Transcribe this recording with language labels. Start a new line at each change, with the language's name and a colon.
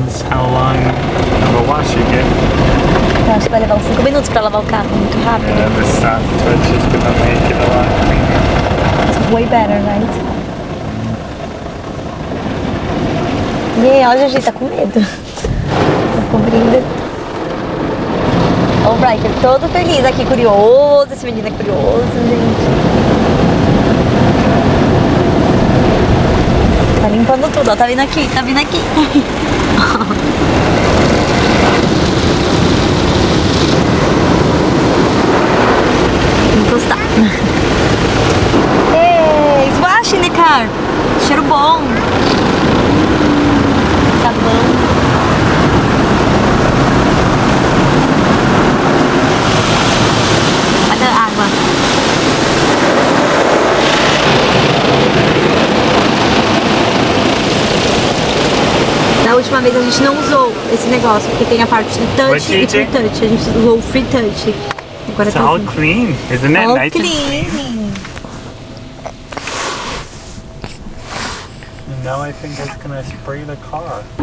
English: How long of a wash you get?
Portuguese: Acho que vai levar uns 5 minutos pra lavar o carro, muito rápido.
English: Yeah, this soft touch is gonna make it a lot cleaner. It's way better, right?
Portuguese: E aí, olha, a gente tá com medo. Tá cobrindo. O Riker todo feliz aqui, curioso. Esse menino é curioso, gente. Tá limpando tudo, ó. Tá vindo aqui, tá vindo aqui. Encostar.
English: Hey, it's wash in the car.
Portuguese: Cheiro bom. Sabão. Da última vez a gente não usou esse negócio, porque tem a parte do touch e free touch. A gente usou o free touch.
English: Agora it's tá all clean, isn't it? All nice clean. And now I think it's gonna spray the car.